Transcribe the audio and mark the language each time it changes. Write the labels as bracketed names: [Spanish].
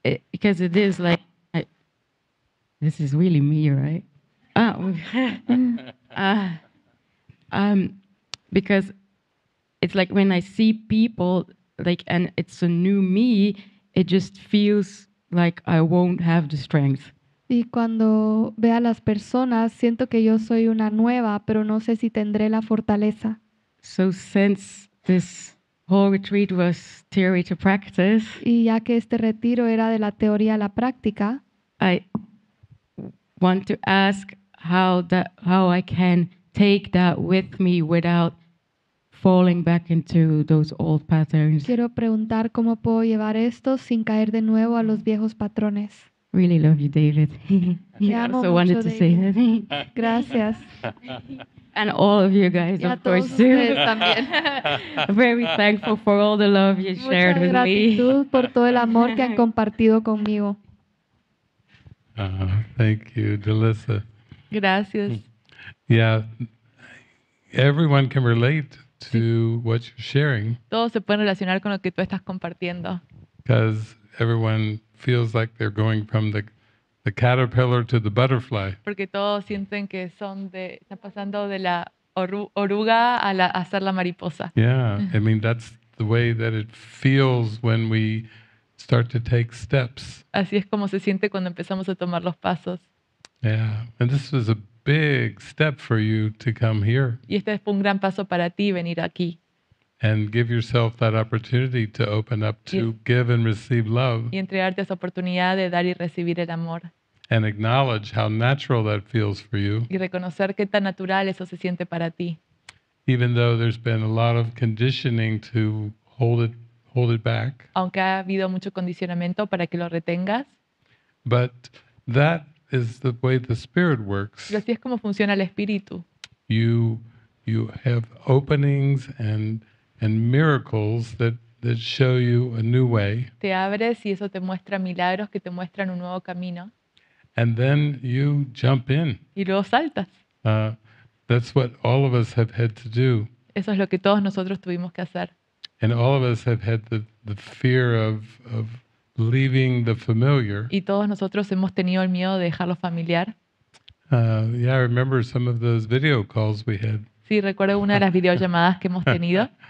[English] Because it is like, this is really me, right? Oh. because it's like when I see people, like, and it's a new me, it just feels like I won't have the strength. [Spanish] Y cuando ve a las personas, siento que yo soy una nueva, pero no sé si tendré la fortaleza. [English] So since this whole retreat was theory to practice. [Spanish] Y ya que este retiro era de la teoría a la práctica. [English] I want to ask how I can take that with me without falling back into those old patterns. [Spanish] Quiero preguntar cómo puedo llevar esto sin caer de nuevo a los viejos patrones. [English] Really love you, David. I also [Spanish] mucho, [English] wanted David. To say that. [Spanish] Gracias. [English] And all of you guys, of course, too. Very thankful for all the love you shared with me. [Spanish] Muchas gratitud por todo el amor que han compartido conmigo. [English] Thank you, Delisa. [Spanish] Gracias. [English] Yeah, everyone can relate to what you're sharing. [Spanish] Todos se pueden relacionar con lo que tú estás compartiendo. [English] Because everyone feels like they're going from the caterpillar to the butterfly. [Spanish] Porque todos sienten que están pasando de la oruga a ser la mariposa. [English] Yeah, I mean that's the way that it feels when we start to take steps. [Spanish] Así es como se siente cuando empezamos a tomar los pasos. [English] Yeah, and this was a big step for you to come here. [Spanish] Y este fue un gran paso para ti venir aquí. [English] And give yourself that opportunity to open up to give and receive love. [Spanish] Y entregarte esa oportunidad de dar y recibir el amor. [English] And acknowledge how natural that feels for you. [Spanish] Y reconocer qué tan natural eso se siente para ti. [English] Even though there's been a lot of conditioning to hold it back. [Spanish] Aunque ha habido mucho condicionamiento para que lo retengas. [English] But that is the way the spirit works. [Spanish] Y así es como funciona el espíritu. [English] You have openings and miracles that show you a new way. [Spanish] Te abres y eso te muestra milagros que te muestran un nuevo camino. [English] And then you jump in. [Spanish] Y luego saltas. [English] That's what all of us have had to do. [Spanish] Eso es lo que todos nosotros tuvimos que hacer. [English] And all of us have had the fear of leaving the familiar. [Spanish] Y todos nosotros hemos tenido el miedo de dejarlo familiar. [English] Yeah, I remember some of those video calls we had. [Spanish] Sí, recuerdo una de las videollamadas que hemos tenido.